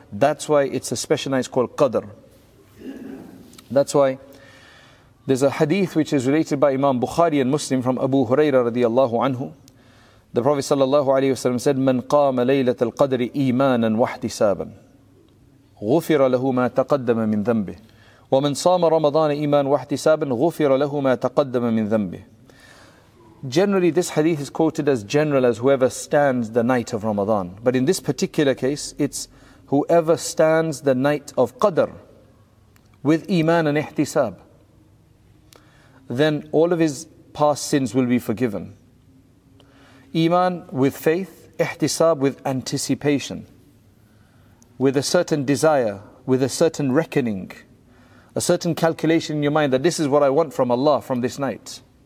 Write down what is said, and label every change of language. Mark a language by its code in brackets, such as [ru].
[en] That's why it's a special night called Qadr. That's why there's a hadith which is related by Imam Bukhari and Muslim from Abu Huraira radiallahu anhu. The Prophet sallallahu alayhi wa sallam said, [ar] مَنْ قَامَ لَيْلَةَ الْقَدْرِ إِيمَانًا وَاحْتِسَابًا غفر له ما تقدم من ذنبه ومن صام رمضان إيمان واحتسابا غفر له ما تقدم من ذنبه. [en] Generally, this hadith is quoted as general as whoever stands the night of Ramadan. But in this particular case, it's whoever stands the night of Qadr with Iman and Ihtisab. Then all of his past sins will be forgiven. Iman with faith, Ihtisab with anticipation, with a certain desire, with a certain reckoning, a certain calculation in your mind that this is what I want from Allah from this night.